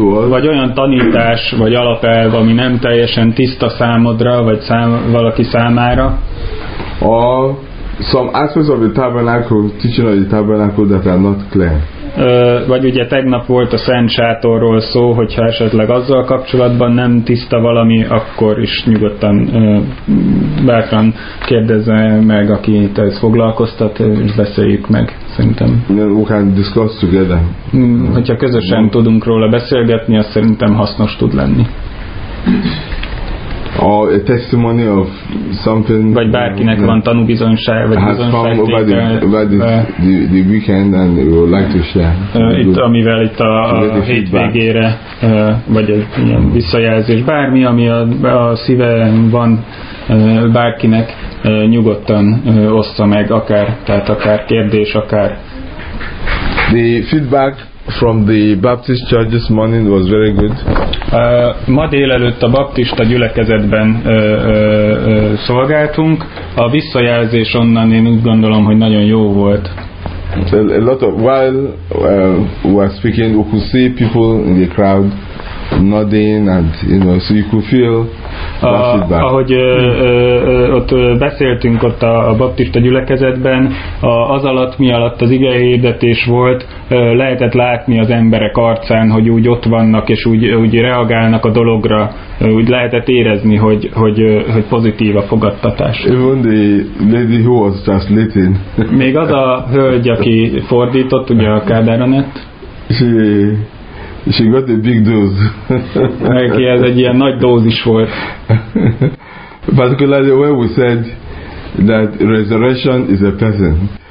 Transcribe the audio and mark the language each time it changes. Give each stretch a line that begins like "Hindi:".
Hungarian: vagy olyan tanítás vagy alapelv, ami nem teljesen tiszta számodra vagy valaki számára.
English: Or some aspects of the tabernacle, teaching of the tabernacle that are not clear.
Hungarian: Vagy ugye tegnap volt a Szent Sátorról szó, hogyha esetleg azzal kapcsolatban nem tiszta valami, akkor is nyugodtan bátran kérdezze meg, aki itt ezt foglalkoztat, és beszéljük meg, szerintem.
English: We can discuss together.
Hungarian: Hogyha közösen tudunk róla beszélgetni, az szerintem hasznos tud lenni.
English: a testimony of something.
Hungarian: Vagy bárkinek van tanúbizonyság, vagy
English: the weekend and we would like to share.
Hungarian: Itt amivel itt a hétvégére vagy egy ilyen visszajelzés, bármi, ami a szíven van bárkinek, nyugodtan ossza meg, akár, tehát akár kérdés, akár.
English: The feedback from the Baptist church this morning was very good.
Hungarian: Ma délelőtt a baptista gyülekezetben szolgáltunk. A visszajelzés onnan én úgy gondolom, hogy nagyon jó volt.
English: A lot of while we were speaking, we could see people in the crowd nodding, and you know, so you could feel that feedback.
Hungarian: Ahogy ott beszéltünk ott a baptista gyülekezetben, az alatt, mi alatt az ige hirdetés volt, lehetett látni az emberek arcán, hogy úgy ott vannak, és úgy reagálnak a dologra, úgy lehetett érezni, hogy pozitív a fogadtatás.
English: Even the lady who was translating.
Hungarian: Még az a hölgy, aki fordított, ugye a Kádáronet.
English: She got a big dose.
Hungarian: Neki ez egy ilyen nagy dózis volt.
English: Particularly when we said that resurrection is a person.